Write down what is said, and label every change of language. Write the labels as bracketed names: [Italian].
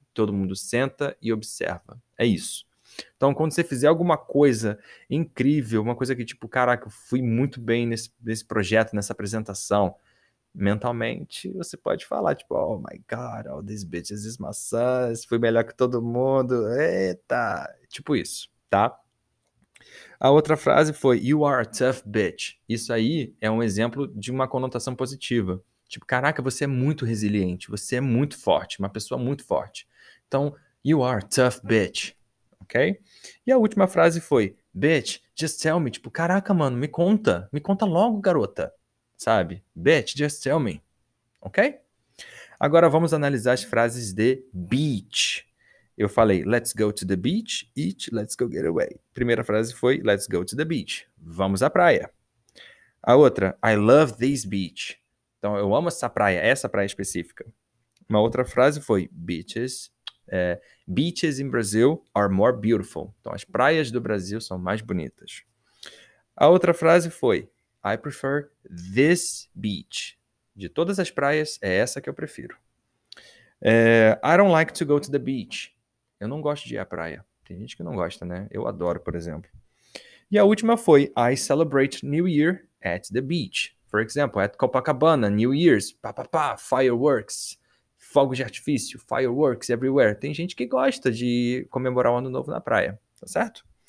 [Portuguese] Todo mundo senta e observa. É isso. Então, quando você fizer alguma coisa incrível, uma coisa que, tipo, caraca, eu fui muito bem nesse projeto, nessa apresentação, mentalmente você pode falar, tipo, [English] Oh my God, all these bitches is [Portuguese] maçãs, fui melhor que todo mundo, eita! Tipo isso, tá? A outra frase foi [English] You are a tough bitch. [Portuguese] Isso aí é um exemplo de uma conotação positiva. Tipo, caraca, você é muito resiliente, você é muito forte, uma pessoa muito forte. [English] Então, you are a tough bitch. Ok? [Portuguese] E a última frase foi [English] Bitch, just tell me. [Portuguese] Tipo, caraca, mano, me conta logo, garota. Sabe? [English] Bitch, just tell me. [Portuguese] Ok? Agora vamos analisar as frases de beach. Eu falei, [English] let's go to the beach, eat, let's go get away. [Portuguese] Primeira frase foi, [English] let's go to the beach. [Portuguese] Vamos à praia. A outra, [English] I love this beach. [Portuguese] Então, eu amo essa praia específica. Uma outra frase foi, [English] beaches in Brazil are more beautiful. [Portuguese] Então, as praias do Brasil são mais bonitas. A outra frase foi, [English] I prefer this beach. [Portuguese] De todas as praias, é essa que eu prefiro. [English] I don't like to go to the beach. [Portuguese] Eu não gosto de ir à praia. Tem gente que não gosta, né? Eu adoro, por exemplo. E a última foi: [English] I celebrate New Year at the beach. For example, at Copacabana, New Year's, pá, pá, pá, fireworks, [Portuguese] fogos de artifício, [English] fireworks everywhere. [Portuguese] Tem gente que gosta de comemorar o Ano Novo na praia, tá certo?